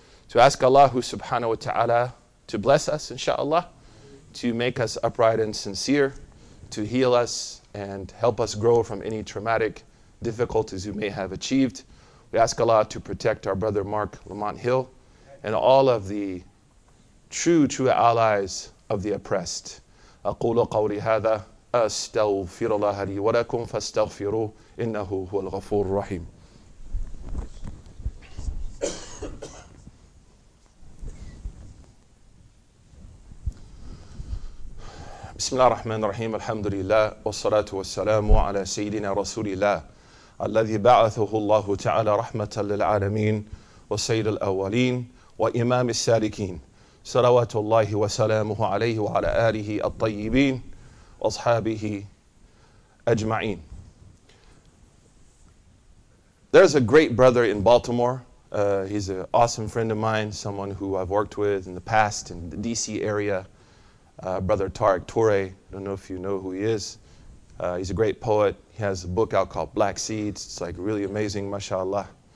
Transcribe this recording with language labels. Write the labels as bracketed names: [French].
[English] To ask Allah subhanahu wa ta'ala to bless us, inshallah, to make us upright and sincere, to heal us, and help us grow from any traumatic difficulties we may have achieved. We ask Allah to protect our brother Mark Lamont Hill and all of the true allies of the oppressed. [Arabic] أقول قولي هذا أستغفر الله لي ولكم فاستغفروا إنه هو الغفور الرحيم. بسم الله الرحمن الرحيم الحمد لله والصلاة والسلام على سيدنا رسول الله الذي بعثه الله تعالى رحمة للعالمين وسيد الأولين وإمام السالكين صلوات الله وسلامه عليه وعلى آله الطيبين وأصحابه أجمعين. [English] There's a great brother in Baltimore. He's an awesome friend of mine, someone who I've worked with in the past in the DC area. Brother Tariq Touré, I don't know if you know who he is. He's a great poet. He has a book out called Black Seeds. It's like really amazing, mashallah.